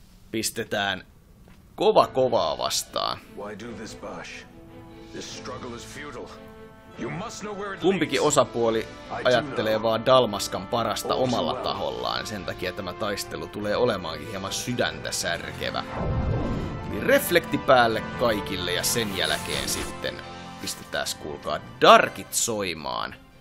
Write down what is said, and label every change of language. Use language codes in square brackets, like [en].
[fi] Pistetään kovaa vastaan. [en] Why do this, Bosh? This struggle is futile. You must know where it leads. [fi] Kumpikin osapuoli ajattelee vaan Dalmaskan parasta omalla tahollaan. Sen takia tämä taistelu tulee olemaankin hieman sydäntä särkevä. Eli reflekti päälle kaikille ja sen jälkeen sitten pistetään, kuulkaa, darkit soimaan.